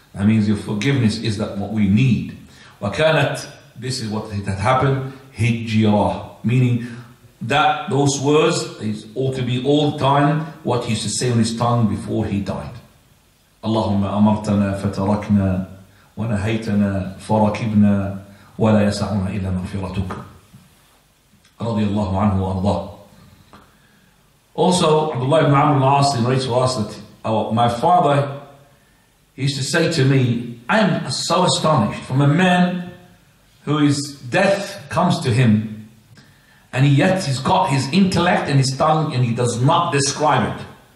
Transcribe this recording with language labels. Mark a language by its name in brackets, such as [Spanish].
[English] That means your forgiveness is that what we need. وَكَانَتْ, this is what had happened, هِجِّرَةً, meaning that those words, is ought to be all the time what he used to say on his tongue before he died. [Arabic] اللهم أمرتنا فتركنا ونهيتنا فركبنا ولا يسعنا إلا مغفرتك. رضي الله عنه وأرضاه. [English] Also, Abdullah ibn Amr al-As narrates to us that my father, he used to say to me, I am so astonished from a man whose death comes to him, and yet he's got his intellect and his tongue and he does not describe it.